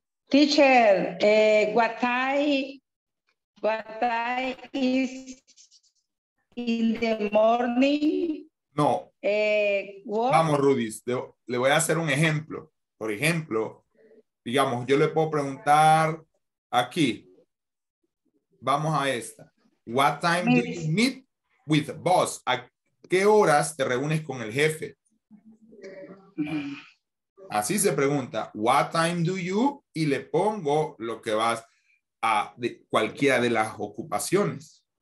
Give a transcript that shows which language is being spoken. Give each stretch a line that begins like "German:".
English: Teacher, what time is in the morning? No. What?
Spanish: Vamos, Rudis, le voy a hacer un ejemplo. Por ejemplo, digamos, yo le puedo preguntar aquí. Vamos a esta.
English: What time do you meet with the boss?
Spanish: ¿A qué horas te reúnes con el jefe? Así se pregunta,
English: what time do you?
Spanish: Y le pongo lo que vas a de cualquiera de las ocupaciones.